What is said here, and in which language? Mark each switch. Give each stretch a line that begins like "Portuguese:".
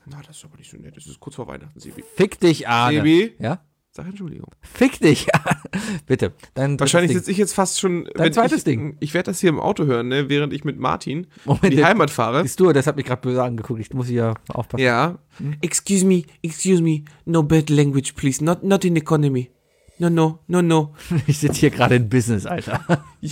German: Na, das ist aber nicht so nett. Das ist kurz vor Weihnachten, Sebi. Fick dich, Arne. Sebi? Ja? Sag Entschuldigung. Fick dich, bitte. Wahrscheinlich sitze ich jetzt fast schon. Dein zweites ich, Ding. Ich werde das hier im Auto hören, ne, während ich mit Martin Moment, in die Heimat fahre. Bist du, das hat mich gerade böse angeguckt. Ich muss hier aufpassen. Ja.
English: Excuse me, no bad language, please. Not in economy. No.
German: Ich sitze hier gerade in Business, Alter.